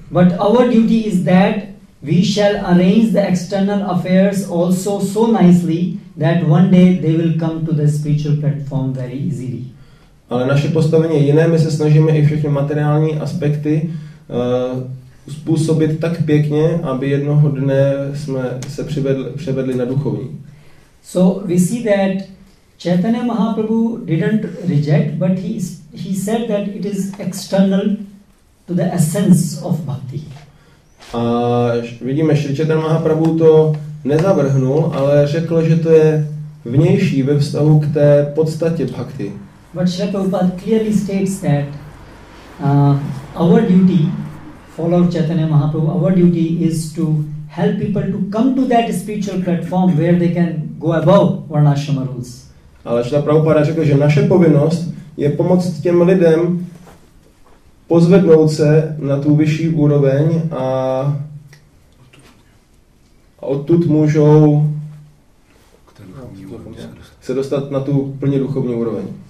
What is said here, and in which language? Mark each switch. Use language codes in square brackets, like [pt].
[en] But our duty is that we shall arrange the external affairs also so nicely that one day they will come to the spiritual platform very easily. [cs] Ale naše postavení je jiné, my se snažíme i všechny materiální aspekty způsobit tak pěkně, aby jednoho dne jsme se převedli na duchovní. [en] So we see that Chaitanya Mahaprabhu didn't reject, but he said that it is external to the essence of bhakti. [cs] A vidíme, že Chaitanya Mahaprabhu to nezavrhnul, ale řekl, že to je vnější ve vztahu k té podstatě bhakti. [en] But Shri Prabhupada clearly states that our duty, follow Chaitanya Mahaprabhu, our duty is to help people to come to that spiritual platform where they can go above varnashrama rules. [cs] Ale Shri Prabhupada řekl, že naše povinnost je pomoct těm lidem pozvednout se na tu vyšší úroveň a odtud můžou se dostat na tu plně duchovní úroveň.